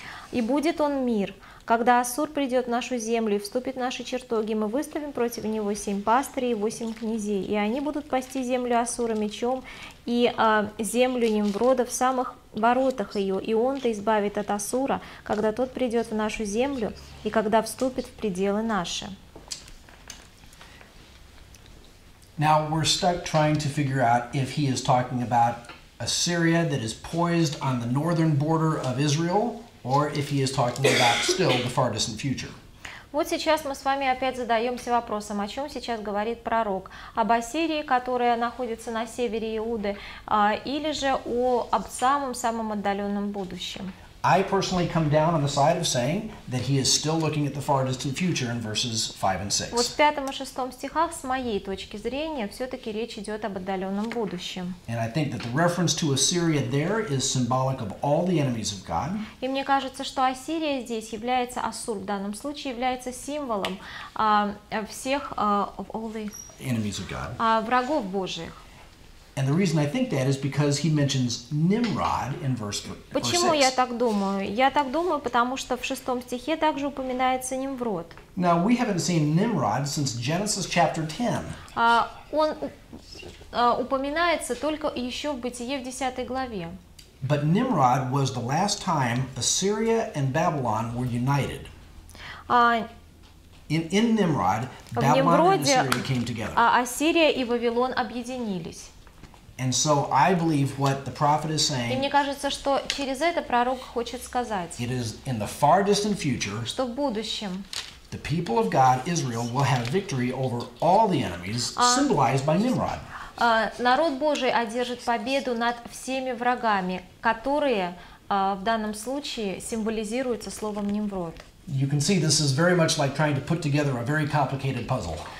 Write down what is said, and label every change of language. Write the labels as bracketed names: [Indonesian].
[Russian] И будет он мир, когда Ассур придет в нашу землю и вступит в наши чертоги, мы выставим против него 7 пастырей и 8 князей, и они будут пасти землю Ассура мечом и землю Нимврода в самых воротах ее, и он-то избавит от Ассура, когда тот придет в нашу землю и когда вступит в пределы наши. [English] Now we're stuck trying to figure out if he is talking about Assyria that is poised on the northern border of Israel, or if he is talking about still the far distant future. [Russian] Вот сейчас мы с вами опять задаемся вопросом, о чем сейчас говорит пророк? Об Ассирии, которая находится на севере Иуды, или же об самом отдаленном будущем? [English] I personally come down on the side of saying that he is still looking at the far distant future in verses 5 and 6. [Russian] Вот в пятом и шестом стихах, с моей точки зрения, все-таки речь идет об отдаленном будущем. [English] And I think that the reference to Assyria there is symbolic of all the enemies of God. [Russian] И мне кажется, что Ассирия здесь является, Ассур в данном случае, является символом всех [English] of all the enemies of God. [Russian] Врагов Божиих. [English] And the reason I think that is because he mentions Nimrod in verse 6. [Russian] Почему я так думаю? Я так думаю, потому что в шестом стихе также упоминается Нимрод. Now we haven't seen Nimrod since Genesis chapter 10. Он упоминается только еще в Бытие в 10 главе. [English] But Nimrod was the last time Assyria and Babylon were united. In Nimrod, Babylon and Assyria came together. [Russian] Ассирия и Вавилон объединились. [English] And so I believe what the prophet is saying. [Russian] И мне кажется, что через это пророк хочет сказать. [English] It is in the far distant future. [Russian] Что в будущем. [English] The people of God, Israel, will have victory over all the enemies, symbolized by Nimrod. [Russian] Народ Божий одержит победу над всеми врагами, которые в данном случае символизируются словом Нимрод. [English] You can see this is very much like trying to put together a very complicated puzzle.